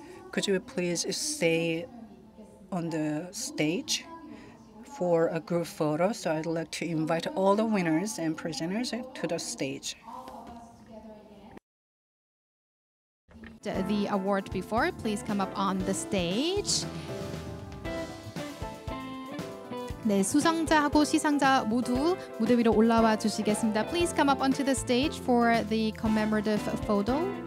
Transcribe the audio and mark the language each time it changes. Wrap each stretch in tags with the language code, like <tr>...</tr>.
<en>Could you please stay on the stage for a group photo? So I'd like to invite all the winners and presenters to the stage. The award before, please come up on the stage.</en> <ko>네, 수상자하고 시상자 모두 무대 위로 올라와 주시겠습니다.</ko> <en>Please come up onto the stage for the commemorative photo.</en>